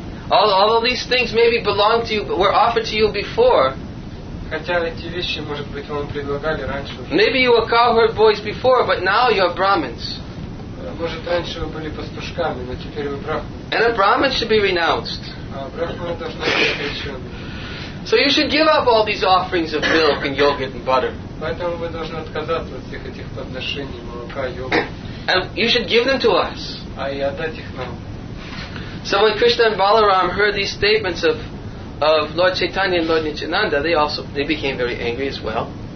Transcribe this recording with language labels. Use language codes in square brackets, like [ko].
[en] All of these things maybe belonged to you, were offered to you before. [ru] Хотя эти вещи, может быть, вам предлагали раньше. [en] Maybe you were cowherd boys before, but now you're Brahmins. [ru] Может, раньше вы были пастушками, но теперь вы брахманы. [en] And a Brahmin should be renounced. [ru] Брахмана должна быть отречена. [en] So you should give up all these offerings of milk and yogurt and butter. [ru] Поэтому вы должны отказаться от всех этих подношений молока, йогурта. [en] And you should give them to us. [ru] А и отдать их нам. [en] So when Krishna and Balaram heard these statements of Lord Chaitanya and Lord Nityananda, they became very angry as well.